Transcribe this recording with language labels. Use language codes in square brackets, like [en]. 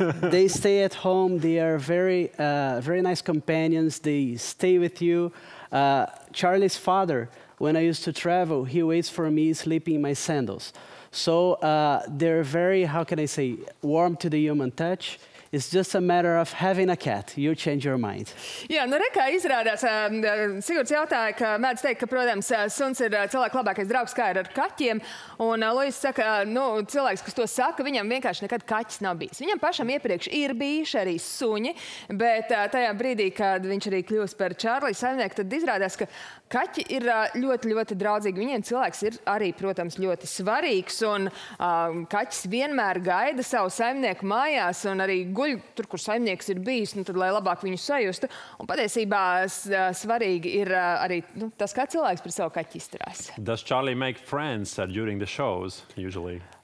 [en] They stay at home. They are very, very nice companions. They stay with you. Charlie's father, when I used to travel, he waits for me sleeping in my sandals. So they're very, how can I say, warm to the human touch. It's just a matter of having a cat. You change your mind. [lv] Jā, nu re, kā izrādās, Sigurds jautāja, ka mēdz teikt, ka, protams, suns ir cilvēka labākais draugs, kā ir ar kaķiem. Un Luisa saka, nu, cilvēks, kas to saka, viņam vienkārši nekad kaķis nav bijis. Viņam pašam iepriekš ir bijuši arī suņi, bet tajā brīdī, kad viņš arī kļūst par Čārlija saimnieku, tad izrādās, ka kaķi ir ļoti, ļoti draudzīgi. Viņiem cilvēks ir arī, protams, ļoti svarīgs, un kaķis vienmēr gaida savu saimnieku mājās un arī guļ tur, kur saimnieks ir bijis, nu, tad, lai labāk viņu sajustu. Un patiesībā svarīgi ir arī nu, tas, kā cilvēks par savu kaķi izturās. [en] Does Charlie make friends during the shows, usually?